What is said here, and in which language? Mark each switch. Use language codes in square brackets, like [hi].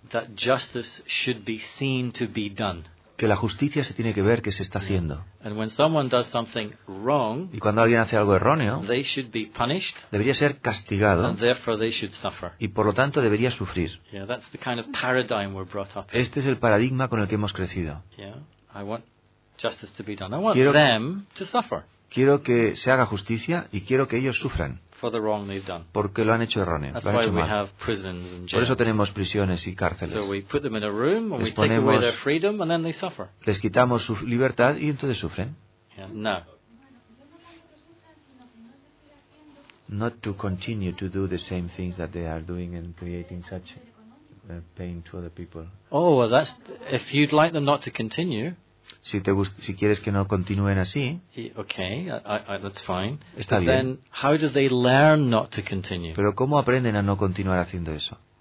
[en] That justice should be seen to be done. [es] Que la justicia se tiene que ver que se está haciendo. [en] And when someone does something wrong, [es] y cuando alguien hace algo erróneo, [en] they should be punished, [es] debería ser castigado, [en] and therefore they should suffer. [es] Y por lo tanto debería sufrir. [en] Yeah, that's the kind of paradigm we're brought up in. [es] Este es el paradigma con el que hemos crecido. [en] Yeah, I want justice to be done. I want them to suffer. [es] Quiero que se haga justicia y quiero que ellos sufran. [en] For the wrong they've done. [es] Porque lo han hecho erróneo. [en] That's why we have prisons and jails. [es] Por eso tenemos prisiones y cárceles. [en] So we put them in a room and we take away their freedom and then they suffer. [es] Les quitamos su libertad y entonces sufren. [en] Yeah. No. Not to continue to do the same things that they are doing and creating such pain to other people. Oh, well, that's if you'd like them not to continue. [es] Si quieres que no continúen así, [en] okay, that's fine. [es] Está bien. [en] Then how do they learn not to continue? [es] Pero ¿cómo aprenden a no continuar haciendo eso?